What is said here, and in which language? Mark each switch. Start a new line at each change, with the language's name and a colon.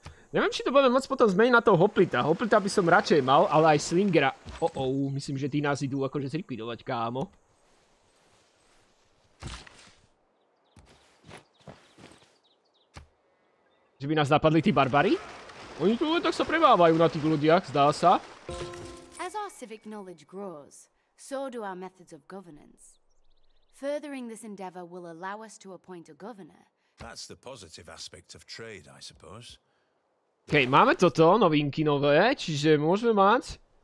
Slovak: Neviem, či to budeme môcť potom zmeniť na toho hoplita. Hoplita by som radšej mal, ale aj Slingera. Oh, myslím, že tí nás idú akože zlikvidovať, kámo. Že by nás napadli tí barbari? Oni tu len tak sa prebávajú na tých ľudiach, zdá sa.
English: As our civic knowledge grows, so do our methods of governance. Furthering this endeavor will allow us to appoint a governor. That's the positive aspect of trade, I suppose.
Slovak: OK, máme toto, novinky nové, čiže môžeme mať...